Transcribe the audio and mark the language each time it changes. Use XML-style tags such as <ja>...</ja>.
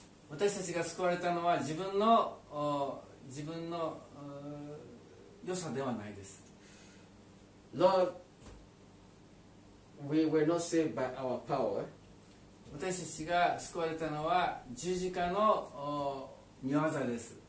<ja>私たちが救われたのは自分の良さではないです。</ja> <en>Lord, we were not saved by our power.</en> <ja>私たちが救われたのは十字架の御業です。</ja>